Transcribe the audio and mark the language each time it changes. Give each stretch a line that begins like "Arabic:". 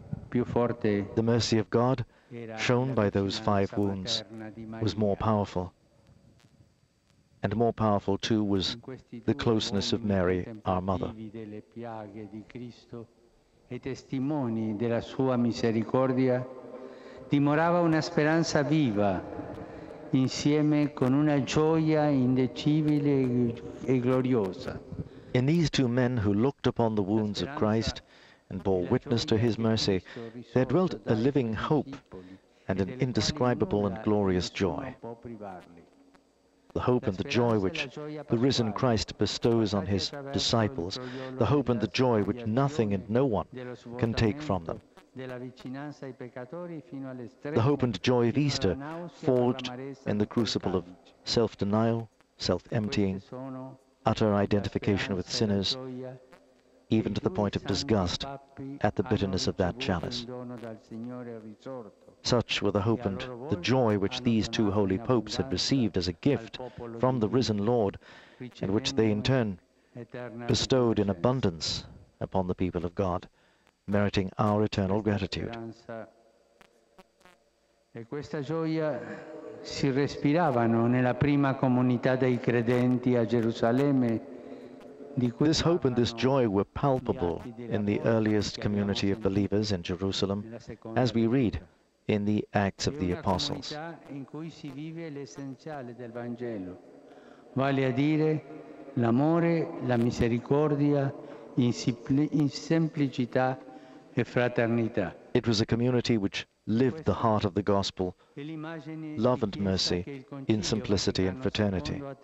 English: The mercy of God, shown by those five wounds, was more powerful. And more powerful, too, was the closeness of Mary, our mother.
Italian: E testimoni della sua misericordia, dimorava una speranza viva insieme con una gioia indicibile e gloriosa.
English: In these two men who looked upon the wounds of Christ and bore witness to his mercy, there dwelt a living hope and an indescribable and glorious joy. The hope and the joy which the risen Christ bestows on his disciples, the hope and the joy which nothing and no one can take from them. The hope and joy of Easter forged in the crucible of self-denial, self-emptying, utter identification with sinners, even to the point of disgust at the bitterness of that chalice. Such were the hope and the joy which these two holy popes had received as a gift from the risen Lord, and which they in turn bestowed in abundance upon the people of God, meriting our eternal gratitude.
Italian: E questa gioia si respiravano nella prima comunità dei credenti a Gerusalemme.
English: This hope and this joy were palpable in the earliest community of believers in Jerusalem, as we read in the Acts of the Apostles.
Italian: In cui si vive l'essenziale del Vangelo, vale a dire l'amore, la misericordia, in semplicità e fraternità.
English: It was a community which lived the heart of the gospel, love and mercy, in simplicity and fraternity.